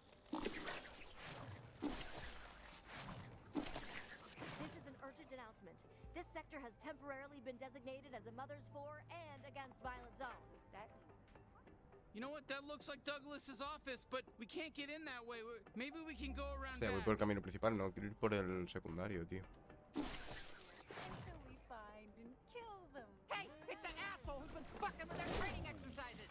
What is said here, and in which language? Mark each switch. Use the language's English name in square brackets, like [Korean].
[English] This is an urgent announcement. This sector has temporarily been designated as a mothers for and against violent zone. You know what? That looks like Douglas's office, but we can't get in that way. Maybe we can go around. [Spanish] O sea, voy por el camino principal, no quiero ir por el secundario, tío. [English] Until we find and kill them. Hey, it's an asshole who's been fucking with our training exercises.